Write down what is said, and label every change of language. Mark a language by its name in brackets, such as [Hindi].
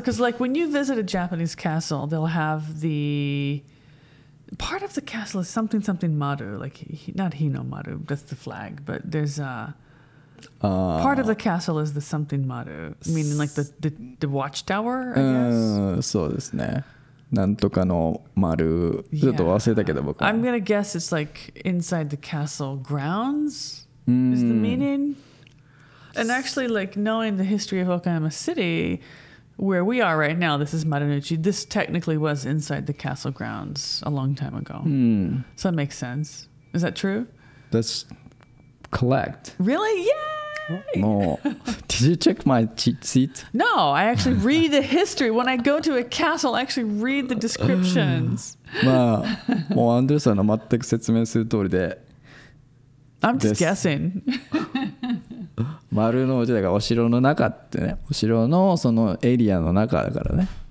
[English] Because like when you visit a Japanese castle, they'll have the... Part of the castle is something, something maru. Like not hino maru. That's the flag. But there's a... part of the castle is the something maru. Meaning like the watchtower, I guess. [Japanese] そうですね。なんとかの丸、ちょっと忘れたけど僕は。 [English] I'm gonna guess it's like inside the castle grounds is the meaning. And actually, like knowing the history of Okayama City, where we are right now, this is Marunouchi. This technically was inside the castle grounds a long time ago. So that makes sense. Is that true? That's correct. Really? Yay! もう、Did you check my cheat sheet? No, I actually read the history. When I go to a castle, I actually read the descriptions. [Japanese] まあ、もうアンドリアさんの全く説明する通りで、 [English] I'm just guessing. [Japanese] 丸の内だからお城の中ってね、お城のそのエリアの中だからね。